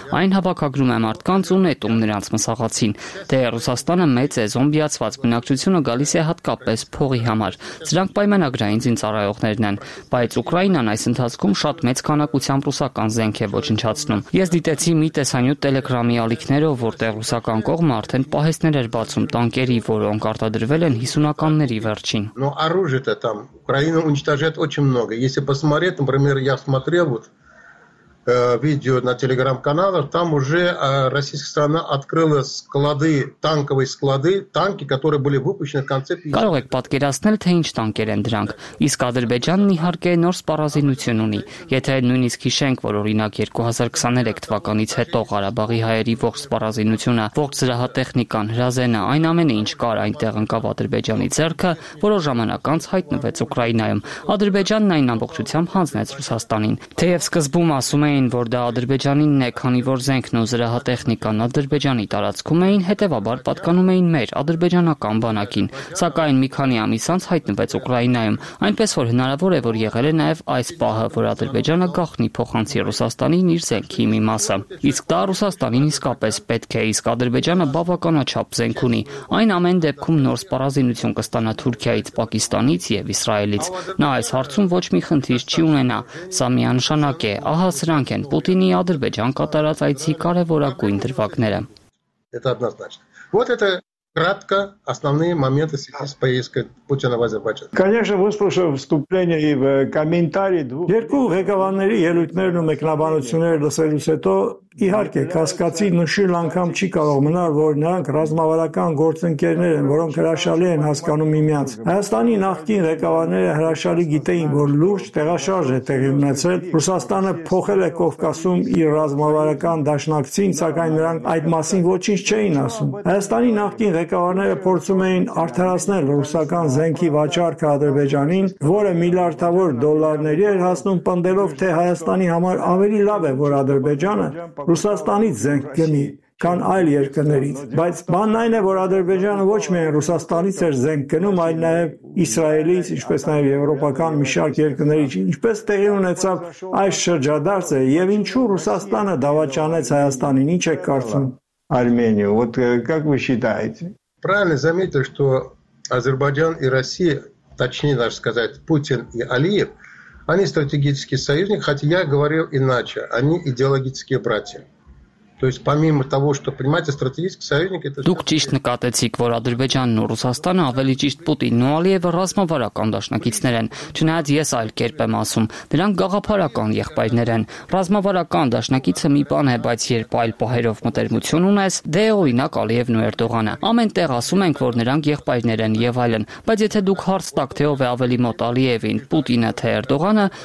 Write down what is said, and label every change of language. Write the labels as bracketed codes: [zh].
[hy] Այն հավաքագրում է մարդկանց ու նետում նրանց մսաղացին։ Դե Ռուսաստանը մեծ է, զոմբիացված բնակչությունը գալիս է հատկապես փողի համար։ Սրանք պայմանագրային ծառայողներն են, բայց Ուկրաինան այս ընթացքում շատ մեծ քանակությամբ ռուսական զենք է ոչնչացնում։ Ես դիտեցի մի տեսանյութ Էլեկտրոնային ալիքներով, որտեղ ռուսական կողմը արդեն պահեսներ էր բացում տանկերի, որոնք արտադրվել են 50-ականների վերջին։ [ru] Но оружие-то там Украина уничтожает очень много. Если посмотреть, например, я смотрел вот видео на Telegram-каналах, там уже российская страна открыла склады, танковые склады, танки, которые были выпущены в конце... [hy] Կարող եք պատկերացնել, թե ինչ տանկեր են դրանք։ Իսկ Ադրբեջանն իհարկե նոր սպառազինություն ունի։ Եթե նույնիսկ հիշենք, որ օրինակ 2023 թվականից հետո Ղարաբաղի հայերի ողջ սպառազինությունը, ողջ զրահատեխնիկան, հրազենը, այն ամենը, ինչ կար այնտեղ, ընկավ Ադրբեջանի ձեռքը, որոշ ժամանակ անց հայտնվեց Ուկրաինայում, Ադրբեջանն այն ամբողջությամբ հանձնեց Ռուսաստանին, թեև սկզբում ասում էին, որ դա Ադրբեջանինն է, քանի որ զենքն ու զրահատեխնիկան Ադրբեջանի տարածքում էին, հետևաբար պատկանում էին մեր ադրբեջանական բանակին, սակայն մի քանի ամիս անց հայտնվեց Ուկրաինայում, այնպես որ հնարավոր է, որ եղել է նաև այս պահը, որ Ադրբեջանը գաղտնի փոխանցի Ռուսաստանին իր զենքի մի մասը, իսկ դա Ռուսաստանին իսկապես պետք է, իսկ Ադրբեջանը բավականաչափ զենք ունի։ Այն ամեն դեպքում նոր սպառազինություն կստանա Թուրքիայից, Պակիստանից և Իսրայելից։ Նա այս հարցում ոչ մի խնդիր չի ունենա, սա միանշանակ է, ահա սրանք են Պուտինի Ադրբեջան կատարած այցի կարևորագույն դրվագները։ [ru] Кратко основные моменты сейчас поездки Путина в Азербайджан. Конечно, выслушав вступление и комментарии двух [hy] երկու ղեկավարների ելույթներն ու մեկնաբանությունները լսելուց հետո, իհարկե կասկածի նշիլ անգամ չի կարող մնալ, որ նրանք ռազմավարական գործընկերներ են, որոնք հրաշալի են հասկանում միմյանց։ Հայաստանի նախկին ղեկավարները հրաշալի գիտեին, որ լուրջ տեղաշարժ է տեղի ունեցել։ Ռուսաստանը փոխել է Կովկասում իր ռազմավարական դաշնակցին, սակայն նրանք այդ մասին ոչինչ չէին ասում։ Հայաստանի նախկին ղեկավարները փորձում էին արդարացնել ռուսական զենքի վաճառքը Ադրբեջանին, որը միլիարդավոր դոլարների էր հասնում, պնդելով, թե Հայաստանի համար ավելի լավ է, որ Ադրբեջանը Ռուսաստանից զենք գնի, կան այլ երկրներից, բայց բանն այն է, որ Ադրբեջանը ոչ միայն Ռուսաստանից էր զենք գնում, այլ նաև Իսրայելից, ինչպես նաև եվրոպական մի շարք երկրներից, ինչպես տեղի ունեցավ այս շրջադարձը, եւ ինչու Ռուսաստանը դավաճանեց Հայաստանին, ինչ եք կարծում [ru] Արմենիա, вот как вы считаете? Правильно заметил, что Азербайджан и Россия, точнее даже сказать, Путин и Алиев, они стратегический союзник, хотя я говорил иначе, они идеологические братья. То есть помимо того, что понимаете, стратегический союзник это [hy] Դուք ճիշտ նկատեցիք, որ Ադրբեջանն ու Ռուսաստանը ավելի ճիշտ Պուտինն ու Ալիևը ռազմավարական դաշնակիցներ են, չնայած ես այլ կերպ եմ ասում, դրանք գաղափարական եղբայրներ են։ Ռազմավարական դաշնակիցը մի բան է, բայց երբ այլ պահերով մտերմություն ունես, դե օրինակ Ալիևն ու Էրդողանը, ամենտեղ ասում ենք, որ նրանք եղբայրներ են եւ այլն, բայց եթե դուք հարց տաք, թե ով է ավելի մոտ Ալիևին, Պուտինը թե Էրդողանը,